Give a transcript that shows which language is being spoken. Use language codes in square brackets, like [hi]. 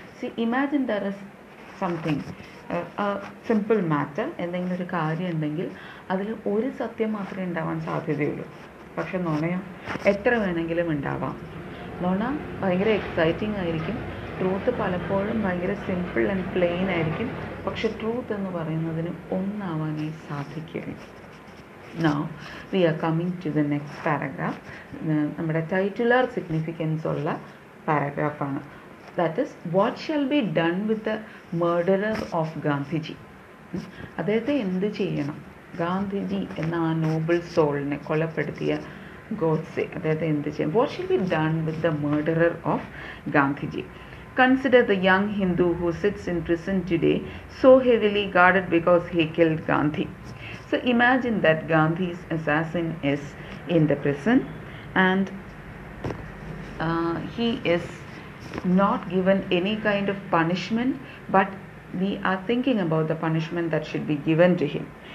[en] See, imagine there is something, a simple matter, [ml] എന്തെങ്കിലും ഒരു കാര്യം ഉണ്ടെങ്കിൽ അതിൽ ഒരു സത്യം മാത്രമേ ഉണ്ടാവാൻ സാധ്യതയുള്ളൂ. പക്ഷെ നുണയോ എത്ര വേണമെങ്കിലും ഉണ്ടാവാം. നുണ ഭയങ്കര എക്സൈറ്റിംഗ് ആയിരിക്കും. ട്രൂത്ത് പലപ്പോഴും ഭയങ്കര [en] simple and plain [ml] ആയിരിക്കും. പക്ഷെ ട്രൂത്ത് എന്ന് പറയുന്നതിന് ഒന്നാവാനേ സാധിക്കില്ല. [en] Now, we are coming to the next paragraph. [ml] നമ്മുടെ ടൈറ്റുലാർ സിഗ്നിഫിക്കൻസ് ഉള്ള പാരഗ്രാഫ് ആണ്. [en] That is, what shall be done with the murderer of Gandhiji? [ml] അദ്ദേഹത്തെ എന്ത് ചെയ്യണം? ഗാന്ധിജി എന്ന ആ നോബിൾ സോളിനെ കൊലപ്പെടുത്തിയ ഗോഡ്സെ അദ്ദേഹത്തെ എന്ത് ചെയ്യണം? [en] What shall be done with the murderer of Gandhiji? Consider the young Hindu who sits in prison today, so heavily guarded because he killed Gandhi. So imagine that Gandhi's assassin is in the prison and he is not given any kind of punishment, but we are thinking about the punishment that should be given to him.